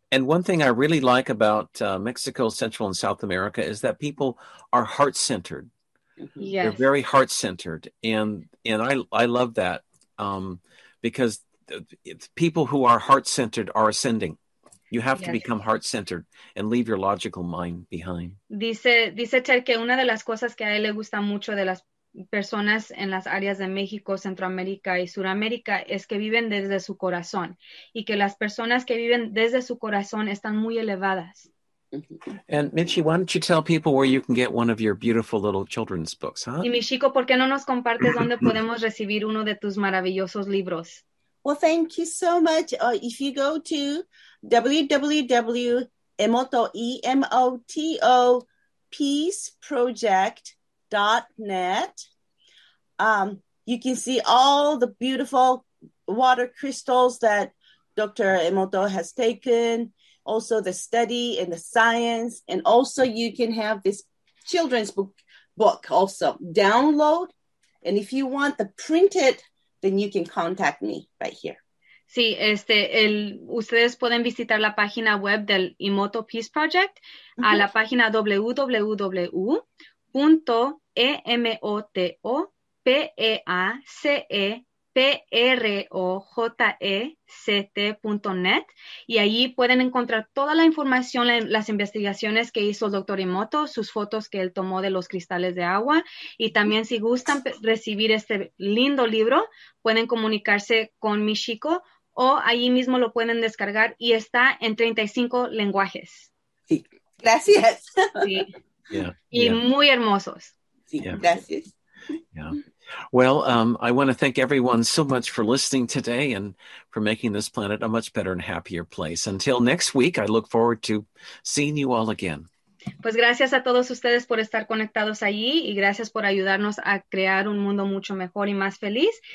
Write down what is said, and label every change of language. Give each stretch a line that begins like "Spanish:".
English: And one thing I really like about Mexico, Central and South America is that people are heart-centered. Mm-hmm. Yes. They're very heart-centered. And I love that because people who are heart-centered are ascending. You have yes. to become heart-centered and leave your logical mind behind.
Spanish: Dice Ter que una de las cosas que a él le gusta mucho de las personas en las áreas de México, Centroamérica y Suramérica es que viven desde su corazón, y que las personas que viven desde su corazón están muy elevadas.
English: And Michi, why don't you tell people where you can get one of your beautiful little children's books, huh?
Spanish: Y Michiko, ¿por qué no nos compartes dónde podemos recibir uno de tus maravillosos libros?
English: Well, thank you so much. If you go to www.emotopeaceproject.net. You can see all the beautiful water crystals that Dr. Emoto has taken, also the study and the science, and also you can have this children's book also download. And if you want the printed, then you can contact me right here.
Spanish: Sí, ustedes pueden visitar la página web del Emoto Peace Project a la página www.emotopaceproject.net, y allí pueden encontrar toda la información, las investigaciones que hizo el doctor Emoto, sus fotos que él tomó de los cristales de agua, y también si gustan recibir este lindo libro, pueden comunicarse con Michiko o allí mismo lo pueden descargar, y está en 35 lenguajes. Sí, gracias. Sí.
English: Yeah,
Spanish: y muy hermosos.
English: Yeah. Yeah. Well, I want to thank everyone so much for listening today and for making this planet a much better and happier place. Until next week, I look forward to seeing you all again.
Spanish: Pues gracias a todos ustedes por estar conectados allí, y gracias por ayudarnos a crear un mundo mucho mejor y más feliz.